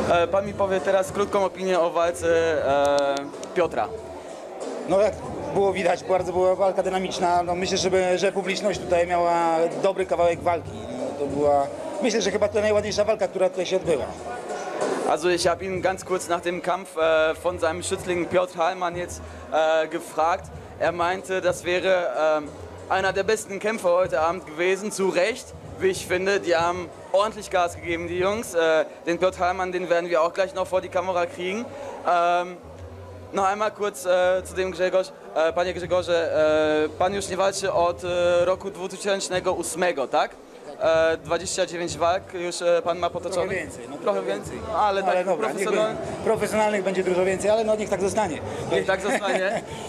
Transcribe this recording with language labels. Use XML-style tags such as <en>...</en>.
<pl>Pan mi powie teraz krótką opinię o walce Piotra. No jak było widać, bardzo była walka dynamiczna. No, myślę, że publiczność tutaj miała dobry kawałek walki. No, to była, myślę, że chyba to najładniejsza walka, która tutaj się odbyła.</pl> <de>Also ich habe ihn ganz kurz nach dem Kampf von seinem Schützling Piotr Hallmann jetzt gefragt. Er meinte, das wäre einer der besten Kämpfer heute Abend gewesen, zu Recht, wie ich finde. Die haben ordentlich Gas gegeben, die Jungs. Den Piotr Hallmann, den werden wir auch gleich noch vor die Kamera kriegen. Noch einmal kurz zu dem Grzegorz.</de> <pl>Panie Grzegorze, pan już nie walczy od roku 2008, tak? 29 walk już pan ma potoczony? Trochę więcej. No, trochę więcej. No, ale tak, dobra, profesjonalnych będzie dużo więcej, ale no, niech tak zostanie. Niech tak zostanie.</pl>